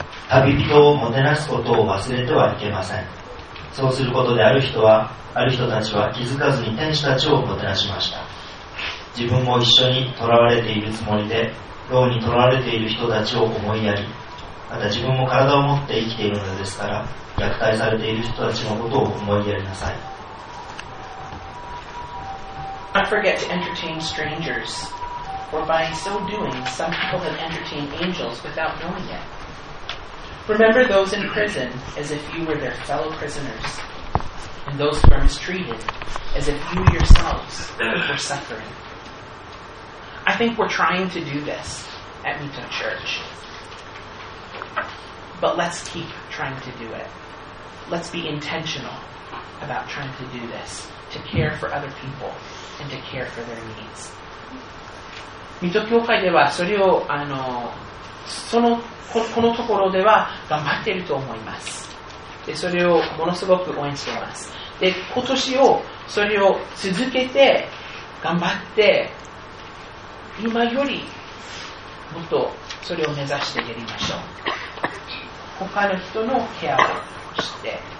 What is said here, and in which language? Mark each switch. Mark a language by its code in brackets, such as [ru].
[ja] 旅人をもてなすことを忘れてはいけません。そうすることである人はある人たちは気づかずに天使たちをもてなしました。自分も一緒に囚われているつもりで牢に囚われている人たちを思いやり、また自分も体を持って生きているのですから、虐待されている人たちのことを思いやりなさい。 [en] Don't forget to entertain strangers, or by so doing, some people have entertained angels without knowing it. Remember those in prison as if you were their fellow prisoners, and those who are mistreated as if you yourselves were suffering. I think we're trying to do this at Mito Church. But let's keep trying to do it. Let's be intentional about trying to do this, to care for other people and to care for their needs. [ja] Mito 教会ではそれをあのそのこのところでは頑張っていると思います。で、それをものすごく応援しています。で、今年をそれを続けて頑張って今よりもっとそれを目指してやりましょう。他の人のケアをして、